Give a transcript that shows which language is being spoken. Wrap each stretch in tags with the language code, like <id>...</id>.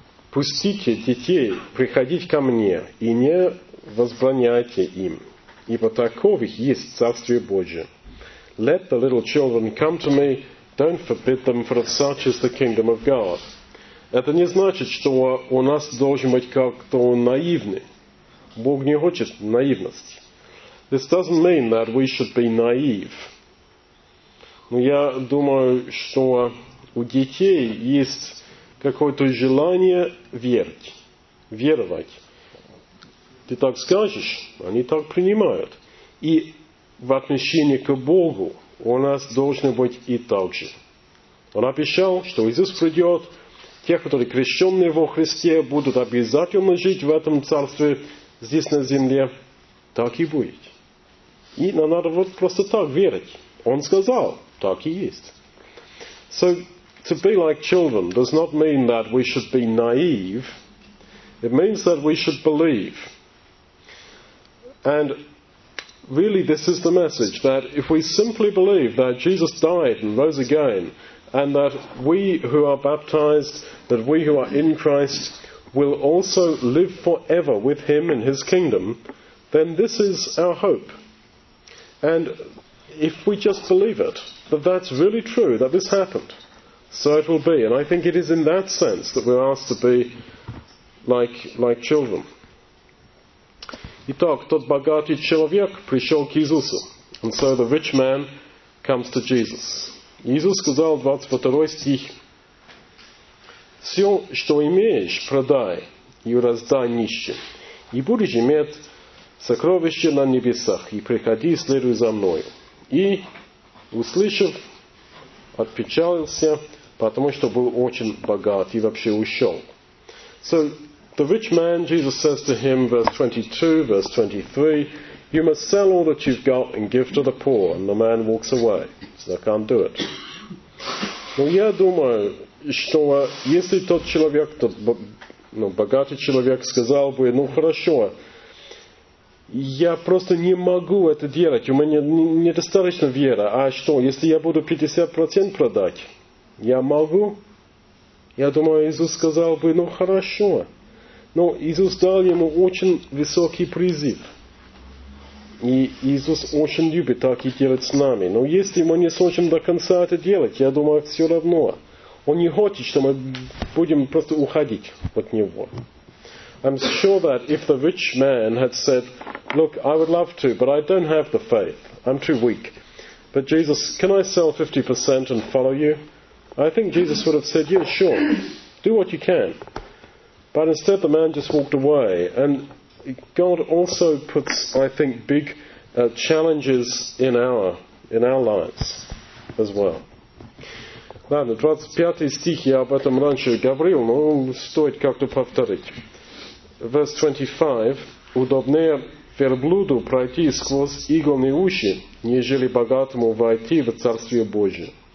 <ru>Пустите детей приходить ко мне, и не возбраняйте им, ибо таковых есть Царствие Божие.</ru> <en>Let the little children come to me, don't forbid them, for such is the kingdom of God.</en> <ru>Это не значит, что у нас должен быть как-то наивный. Бог не хочет наивности.</ru> <en>This doesn't mean that we should be naive.</en> <ru>Но я думаю, что у детей есть какое-то желание веровать. Ты так скажешь, они так принимают. И в отношении к Богу у нас должно быть и так же. Он обещал, что Иисус придет, те, которые крещенные во Христе, будут обязательно жить в этом царстве здесь на земле. Так и будет. И нам надо вот просто так верить. Он сказал, так и есть.</ru> <en>So, to be like children does not mean that we should be naive. It means that we should believe. And really this is the message, that if we simply believe that Jesus died and rose again, and that we who are baptized, that we who are in Christ, will also live forever with him in his kingdom, then this is our hope. And if we just believe it, that that's really true, that this happened, so it will be. And I think it is in that sense that we're asked to be like children.</en> <ru>Итак, тот богатый человек пришел к Иисусу.</ru> <en>And so the rich man comes to Jesus.</en> <ru>Иисус сказал, 22 стих, «Все, что имеешь, продай и раздай нищим, и будешь иметь сокровище на небесах, и приходи и следуй за мною». И, услышав, отпечалился, потому что был очень богат, и вообще ушел.</ru> <en>So, the rich man, Jesus says to him, verse 22, verse 23, you must sell all that you've got and give to the poor, and the man walks away. So, I can't do it.</en> <ru>Но я думаю, что если тот человек, тот богатый человек, сказал бы, ну хорошо, я просто не могу это делать, у меня недостаточно веры. А что, если я буду 50% продать, я могу? Я думаю, Иисус сказал бы, ну хорошо. Но Иисус дал ему очень высокий призыв. И Иисус очень любит так и делать с нами. Но если мы не сможем до конца это делать, я думаю, все равно. Он не хочет, что мы будем просто уходить от Него.</ru> <en>I'm sure that if the rich man had said, look, I would love to, but I don't have the faith. I'm too weak. But Jesus, can I sell 50% and follow you? I think Jesus would have said, yeah, sure, do what you can. But instead the man just walked away. And God also puts, I think, big challenges in our lives as well.</en> <ru>Ладно, 25 стих, я об этом раньше говорил, но стоит как-то повторить.</ru> <en>Verse 25,</en> <ru>удобнее верблюду пройти сквозь игольные уши, нежели богатому войти в Царствие Божие.</ru>